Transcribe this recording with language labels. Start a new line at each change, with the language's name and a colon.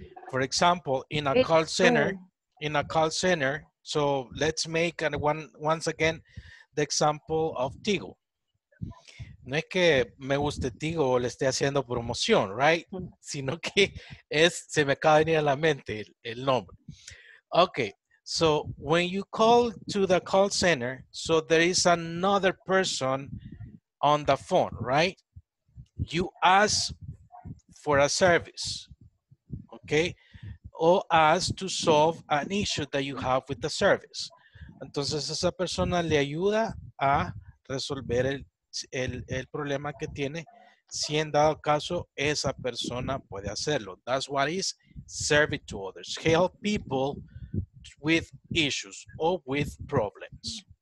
English: For example, in a call center, so let's make once again the example of Tigo.
Spanish: No es que me guste Tigo o le esté haciendo promoción, right? Sino que es, se me acaba de venir a la mente el nombre.
English: Okay, so when you call to the call center, so there is another person on the phone, right? You ask for a service, okay? Or ask to solve an issue that you have with the service.
Spanish: Entonces, esa persona le ayuda a resolver el problema que tiene. Si en dado caso, esa persona puede hacerlo.
English: That's what is service to others. Help people with issues or with problems.